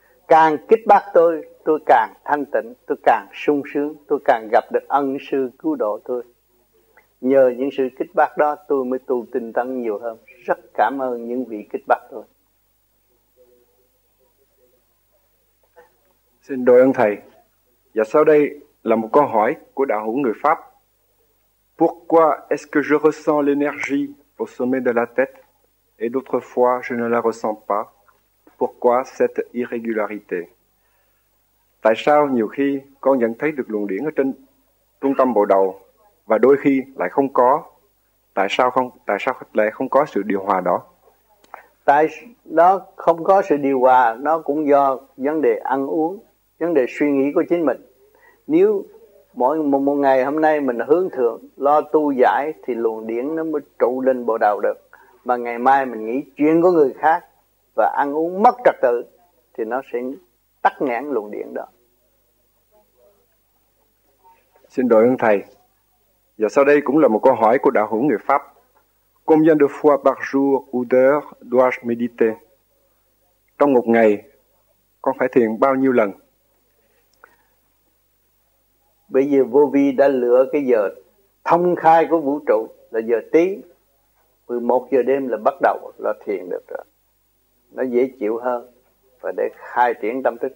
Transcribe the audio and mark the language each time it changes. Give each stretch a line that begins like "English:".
Vietnamese: Càng kích bác tôi càng thanh tịnh, tôi càng sung sướng, tôi càng gặp được ân sư cứu độ tôi. Nhờ những sự kích bác đó tôi mới tu tinh tấn nhiều hơn. Rất cảm ơn những vị kích bác tôi. Xin đổi ơn thầy. Và sau đây là một câu hỏi của đạo hữu người Pháp.
French: Pourquoi est-ce que je ressens l'énergie au sommet de la tête et d'autres fois je ne la ressens pas? Pourquoi cette irrégularité?
Vietnamese: Tại sao nhiều khi con nhận thấy được luồng điển ở trên trung tâm bộ đầu và đôi khi lại không có? Tại sao lại không có sự điều hòa đó? Tại đó không có sự điều hòa, nó cũng do vấn đề ăn uống, vấn đề suy nghĩ của chính mình. Nếu một ngày hôm nay mình hướng thượng, lo tu giải thì luồng điển nó mới trụ lên bộ đầu được. Mà ngày mai mình nghĩ chuyện của người khác và ăn uống mất trật tự thì nó sẽ tắc nghẽn luồng điển đó. Xin đổi ơn thầy. Và sau đây cũng là một câu hỏi của đạo hữu người Pháp.
French: Combien de fois par jour ou d'heure dois-je méditer?
Vietnamese: Trong một ngày, con phải thiền bao nhiêu lần? Bây giờ vô vi đã lựa cái giờ thông khai của vũ trụ là giờ tí. 11 giờ đêm là bắt đầu là thiền được rồi. Nó dễ chịu hơn và để khai triển tâm thức.